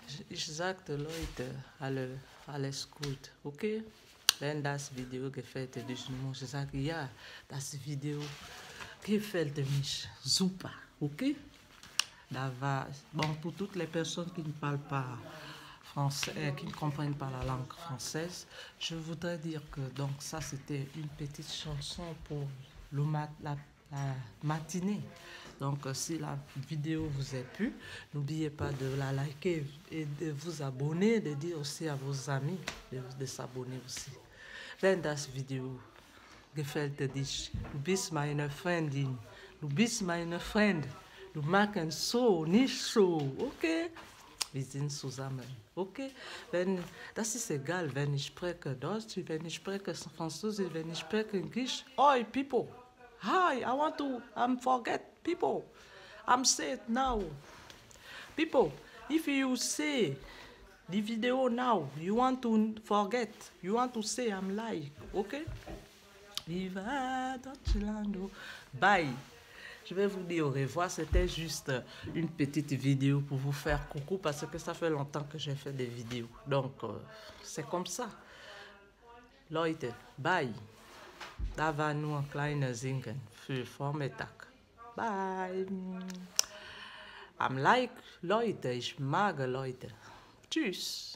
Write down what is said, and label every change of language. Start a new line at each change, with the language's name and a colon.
German: Ich sagte Leute, alles gut, okay? Wenn das Video gefällt, ich muss sagen, ja, das Video gefällt mir super, okay?
French: Da war, bon, pour toutes les personnes qui ne parlent pas français, qui ne comprennent pas la langue française, je voudrais dire que donc ça c'était une petite chanson pour le la matinée. Donc, si la vidéo vous a plu, n'oubliez pas de la liker et de vous abonner, de dire aussi à vos amis de s'abonner aussi.
German: Wenn das Video gefällt dich, du bist meine Freundin, du bist meine Freund, du machst so, nicht so, okay? Wir sind zusammen, okay? Wenn, das ist egal, wenn ich spreche Deutsch, wenn ich spreche Französisch, wenn ich spreche Englisch.
English: Oi, people! Hi, I want to forget people. I'm sad now. People, if you see the video now, you want to forget. You want to say I'm like, okay? Viva Deutschland. Bye.
French: Je vais vous dire au revoir. C'était juste une petite vidéo pour vous faire coucou parce que ça fait longtemps que j'ai fait des vidéos. Donc, c'est comme ça. Leute, bye.
German: Da war nur ein kleiner Singen für Vormittag. Bye. Am Like, Leute, ich mag Leute. Tschüss.